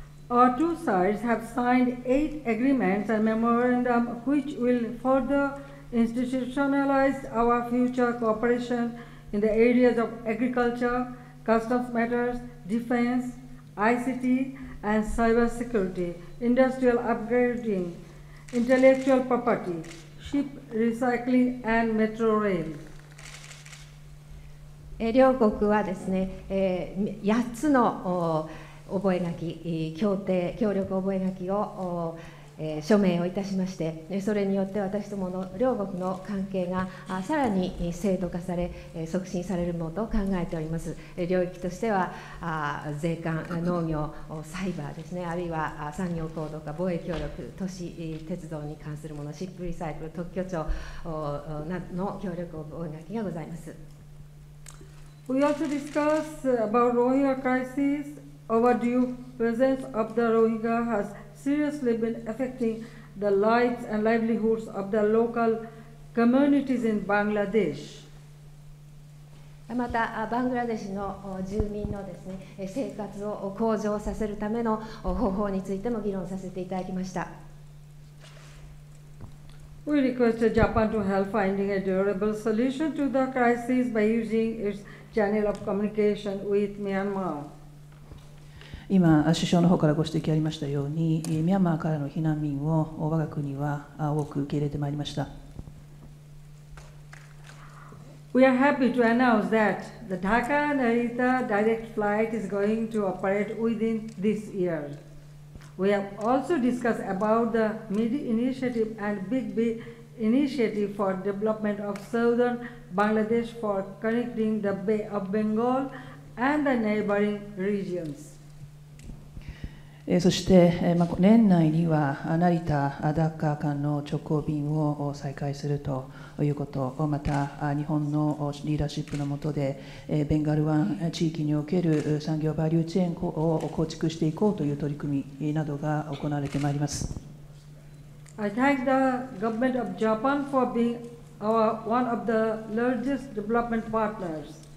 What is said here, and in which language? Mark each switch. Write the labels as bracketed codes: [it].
[en] Our two sides have signed 8 agreements and memorandum which will further institutionalize our future cooperation in the areas of agriculture, customs matters, defense, ICT and cyber security, industrial upgrading, intellectual property, ship recycling and metro rail. [ja] 両国はですね、8つの覚書、協定、協力覚書を署名をいたしまして、それによって私どもの両国の関係がさらに制度化され、促進されるものと考えております。領域としては、税関、農業、サイバーですね、あるいは産業行動か、防衛協力、都市、鉄道に関するもの、シップリサイクル、特許庁の協力覚書がございます。 [en] We also discuss about Rohingya crisis. Overdue presence of the Rohingya has seriously been affecting the lives and livelihoods of the local communities in Bangladesh. [ja] また、バングラデシュの住民のですね、生活を向上させるための方法についても議論させていただきました。 [en] We requested Japan to help finding a durable solution to the crisis by using its channel of communication with Myanmar. [ja] 今、首相の方からご指摘ありましたように、ミャンマーからの避難民を我が国は多く受け入れてまいりました。 [en] We are happy to announce that the Dhaka Narita direct flight is going to operate within this year. We have also discussed about the MIDI initiative and BigBee initiative for development of southern Bangladesh for connecting the Bay of Bengal and the neighboring regions. [ja] そして年内には成田ダッカー間の直行便を再開するということ、また日本のリーダーシップの下でベンガル湾地域における産業バリューチェーンを構築していこうという取り組みなどが行われてまいります。 [en] I thank the government of Japan for being our one of the largest development partners.